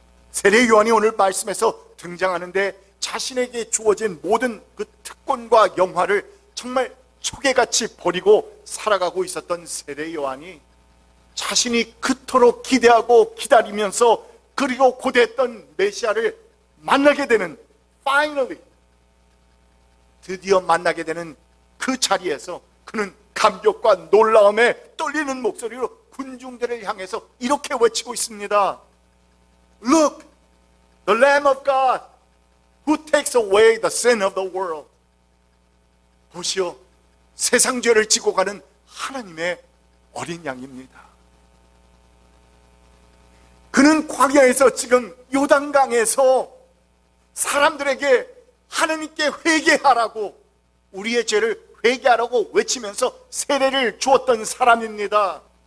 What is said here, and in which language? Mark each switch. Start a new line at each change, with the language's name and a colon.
Korean: 세례 요한이 오늘 말씀에서 등장하는데 자신에게 주어진 모든 그 특권과 영화를 정말 초계같이 버리고 살아가고 있었던 세례 요한이 자신이 그토록 기대하고 기다리면서 그리고 고대했던 메시아를 만나게 되는
English: finally
Korean: 드디어 만나게 되는 그 자리에서 그는 감격과 놀라움에 떨리는 목소리로 군중들을 향해서 이렇게 외치고 있습니다.
English: Look, the Lamb of God who takes away the sin of the world.
Korean: 보시오, 세상 죄를 지고 가는 하나님의 어린 양입니다. 그는 광야에서 지금 요단강에서 사람들에게 하나님께 회개하라고 우리의 죄를 회개하라고 외치면서 세례를 주었던 사람입니다.